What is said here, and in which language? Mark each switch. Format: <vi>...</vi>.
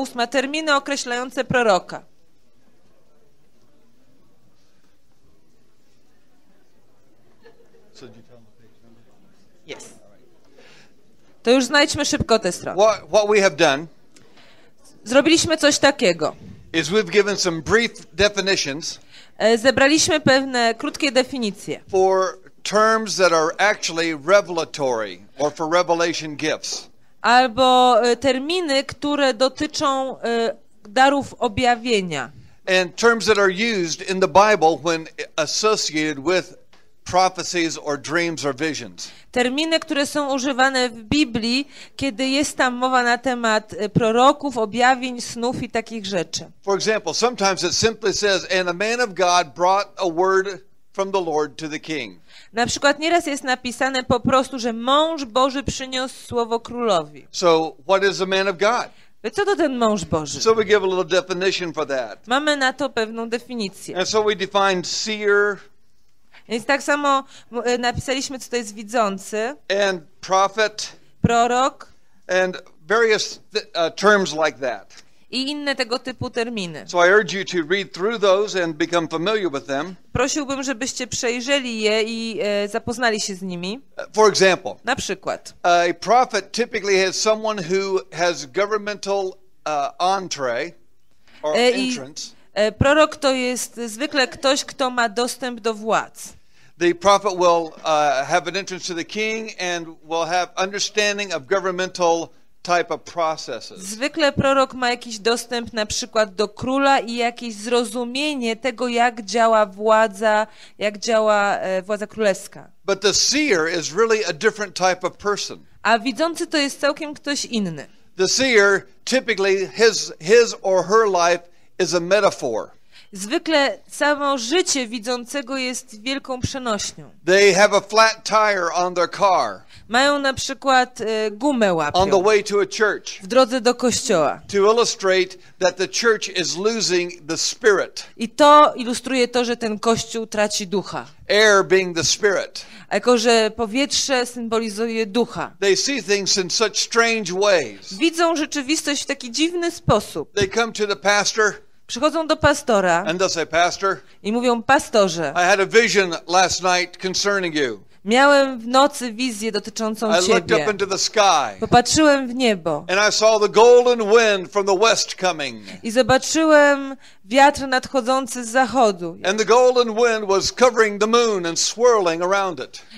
<pl>Terminy określające proroka. Yes. To już znajdźmy szybko tę stronę.</pl> <en>What we have done,</en> <pl>zrobiliśmy coś takiego.</pl> <en>Is we've given some brief definitions.</en> <pl>Zebraliśmy pewne krótkie definicje.</pl> <en>For terms that are actually revelatory or for revelation gifts.</en> <pl>Albo terminy, które dotyczą darów objawienia.</pl> <en>And terms that are used in the Bible when associated with prophecies or dreams or visions.</en> <pl>Terminy, które są używane w Biblii, kiedy jest tam mowa na temat proroków, objawień, snów i takich rzeczy.</pl> <en>For example, sometimes it simply says, and a man of God brought a word from the Lord to the king.</en> <pl>Na przykład nieraz jest napisane po prostu, że mąż Boży przyniósł słowo królowi.</pl> <en>So what is a man of God?</en> <pl>Co to ten mąż Boży?</pl> <en>So we give a little definition for that.</en> <pl>Mamy na to pewną definicję.</pl> <en>And so we defined seer.</en> <pl>Więc tak samo napisaliśmy, co to jest widzący.</pl> <en>And prophet.</en> <pl>Prorok.</pl> <en>And various terms like that.</en> <pl>I inne tego typu terminy.</pl> <en>So I urge you to read through those and become familiar with them.</en> <pl>Prosiłbym, żebyście przejrzeli je i zapoznali się z nimi.</pl> <en>For example.</en> <pl>Na przykład.</pl> <en>A prophet typically has someone who has governmental entree or entrance.</en> <pl>Prorok to jest zwykle ktoś, kto ma dostęp do władz.</pl> <en>The prophet will have an entrance to the king and will have understanding of governmental type of processes.</en> <pl>Zwykle prorok ma jakiś dostęp na przykład do króla i jakieś zrozumienie tego, jak działa władza, jak działa władza królewska.</pl> <en>But the seer is really a different type of person.</en> <pl>A widzący to jest całkiem ktoś inny.</pl> <en>The seer typically his or her life is a metaphor.</en> <pl>Zwykle samo życie widzącego jest wielką przenośnią.</pl> <en>They have a flat tire on their car.</en> <pl>Mają na przykład gumę łapią.</pl> <en>On the way to a church.</en> <pl>W drodze do kościoła.</pl> <en>To illustrate that the church is losing the spirit.</en> <pl>I to ilustruje to, że ten kościół traci ducha.</pl> <en>Air being the spirit.</en> <pl>Jako że powietrze symbolizuje ducha.</pl> <en>They see things in such strange ways.</en> <pl>Widzą rzeczywistość w taki dziwny sposób.</pl> <en>They come to the pastor.</en> <pl>Przychodzą do pastora.</pl> <en>And they say, pastor.</en> <pl>I mówią, pastorze.</pl> <en>I had a vision last night concerning you.</en> <pl>Miałem w nocy wizję dotyczącą I ciebie.</pl> <en>I looked up into the sky.</en> <pl>Popatrzyłem w niebo.</pl> <en>And I saw the golden wind from the west coming.</en> <pl>I zobaczyłem wiatr nadchodzący z zachodu.</pl> <en>And the golden wind was covering the moon and swirling around it.</en>